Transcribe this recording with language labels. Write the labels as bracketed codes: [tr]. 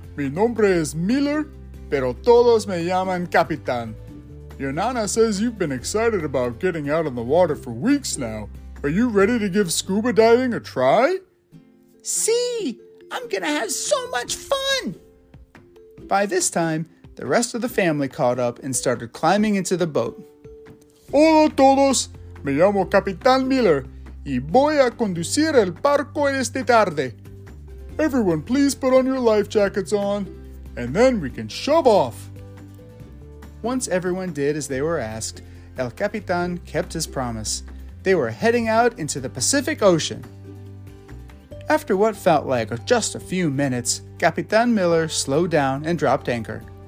[es] Mi nombre es Miller, pero todos me llaman Capitán. [en] Your Nana says you've been excited about getting out on the water for weeks now. Are you ready to give scuba diving a try? Sí, I'm gonna have so much fun. By this time, the rest of the family caught up and started climbing into the boat. [es] Hola, todos. Me llamo Capitán Miller. Y voy a conducir el barco esta tarde. [en] Everyone, please put on your life jackets on, and then we can shove off. Once everyone did as they were asked, El Capitán kept his promise. They were heading out into the Pacific Ocean. After what felt like just a few minutes, Capitán Miller slowed down and dropped anchor.